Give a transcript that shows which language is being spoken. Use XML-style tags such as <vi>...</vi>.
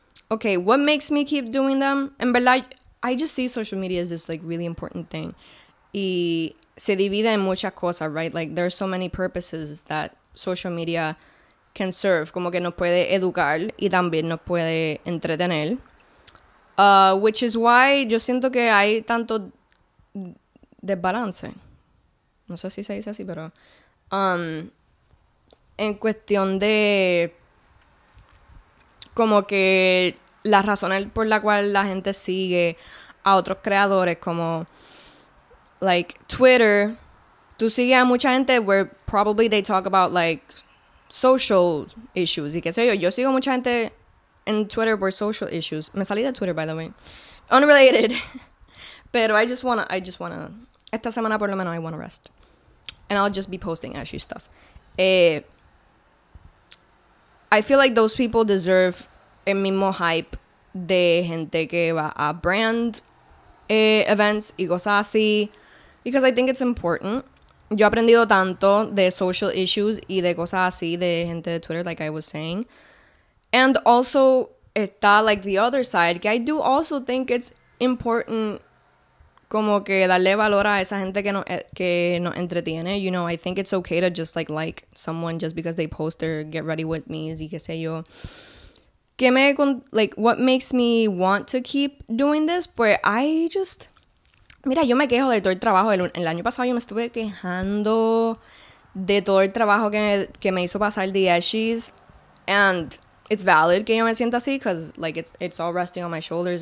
<en>Okay, what makes me keep doing them?</en> <es>En verdad,</es> <en>I just see social media as this, like, really important thing.</en> <es>Y se divide en muchas cosas,</es> <en>right? Like, there are so many purposes that social media can serve.</en> <es>Como que nos puede educar y también nos puede entretener.</es> <en>Which is why</en> <es>yo siento que hay tanto desbalance. No sé si se dice así, pero en cuestión de como que la razón por la cual la gente sigue a otros creadores como like Twitter, tú sigues a mucha gente</es> <en>where probably they talk about like social issues</en> <es>y qué sé yo. Yo sigo mucha gente en Twitter por social issues. Me salí de Twitter,</es> <en>by the way, unrelated.</en> <es>Pero</es> <en>I just wanna</en> <es>esta semana por lo menos</es> <en>I wanna rest. And I'll just be posting Ashy stuff. I feel like those people deserve</en> <es>el mismo hype de gente que va a brand events y cosas así.</es> <en>Because I think it's important.</en> <es>Yo he aprendido tanto de social issues y de cosas así de gente de Twitter,</es> <en>like I was saying. And also,</en> <es>está</es> <en>like the other side, que I do also think it's important</en> <es>como que darle valor a esa gente que no entretiene.</es> <en>You know, I think it's okay to just like someone just because they post their get ready with me,</en> <es>y que sé yo.</es> <en>Like, what makes me want to keep doing this?</en> <es>Pues</es> <en>I just...</en> <es>Mira, yo me quejo de todo el trabajo. El año pasado yo me estuve quejando de todo el trabajo que me hizo pasar de Eshis.</es> <en>And it's valid</en> <es>que yo me sienta así,</es> <en>because like it's all resting on my shoulders.</en>